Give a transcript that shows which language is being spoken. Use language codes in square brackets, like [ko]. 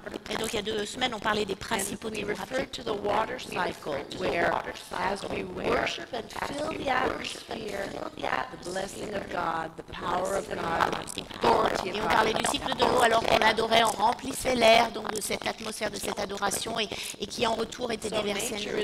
[fr] Et donc il y a deux semaines, on parlait des principaux [en] de the water cycle, where as we worship and fill the atmosphere, the blessing of God, the power of God, [fr] et on parlait du cycle de l'eau, alors qu'on adorait, on remplissait l'air, donc de cette atmosphère, de cette adoration, et qui en retour était déversée à